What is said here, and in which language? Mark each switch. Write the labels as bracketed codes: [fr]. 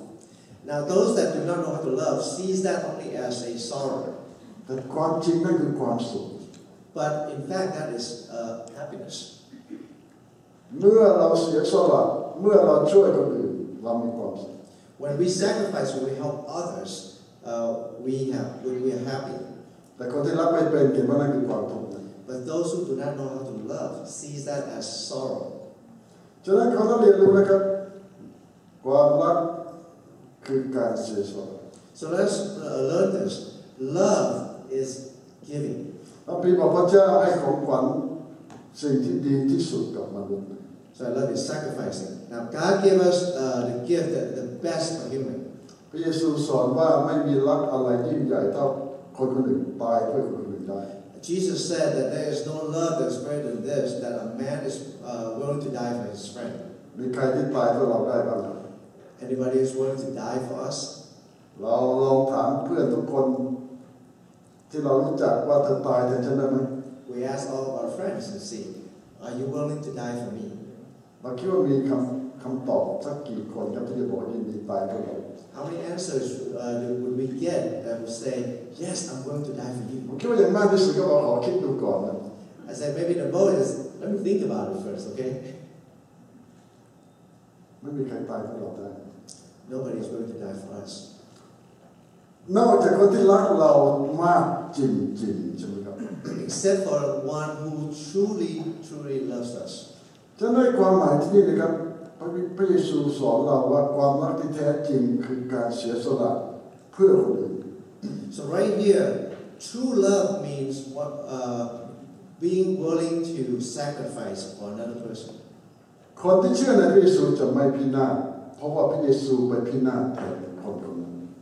[en] Now those that do not know how to love sees that only as a sorrow. [th] แต่ความจริงนั่นคือความสุข [en] But in fact, that is happiness. [th] เมื่อเราเสียสละเมื่อเราช่วยคนอื่นเรามีความสุข [en] When we sacrifice, when we help others, we are happy. [th] แต่คนที่รักไม่เป็นเห็นว่านั่นคือความทุกข์ [en] But those who do not know how to love see that as sorrow. [th] ฉะนั้นเขาต้องเรียนรู้นะครับความรักคือการเสียสละ [en] So let's learn this. Love is giving. [th] พระบิดาพระเจ้าให้ของขวัญสิ่งที่ดีที่สุดกับมนุษย์ [en] So love is sacrificing. Now God gave us the gift that the best for human. [th] พระเยซูสอนว่าไม่มีรักอะไรยิ่งใหญ่เท่าคนหนึ่งตายเพื่อคนอื่นได้ [en] Jesus said that there is no love that's greater than this that a man is willing to die for his friend. [th] มีใครที่ตายเพื่อเราได้บ้าง [en] Anybody is willing to die for us? [th] เราลองถามเพื่อนทุกคน ที่เรารู้จักว่าเธอตายเธอชนะไหม [en] We ask all of our friends to see, are you willing to die for me? [th] เราคิดว่ามีคำตอบสักกี่คนครับที่จะบอกยินดีตายเพื่อเรา [en] How many answers would we get that would say, yes, I'm willing to die for you? [th] ผมคิดว่าอย่างมากที่สุดก็บอกขอคิดดูก่อนนะ [en] I said maybe the most, let me think about it first, okay? [th] ไม่มีใครตายเพื่อเราได้ [en] Nobody is willing to die for us. [th] นอกจากคนที่รักเรามากจริงๆใช่ไหมครับ [en] Except for one who truly, truly loves us. [th] ฉะนั้นความหมายที่นี่นะครับพระเยซูสอนเราว่าความรักที่แท้จริงคือการเสียสละเพื่อคนอื่น [en] So right here, true love means what being willing to sacrifice for another person. [th] คนที่เชื่อในพระเยซูจะไม่พินาศเพราะว่าพระเยซูไปพินาศแทนคนคนนั้น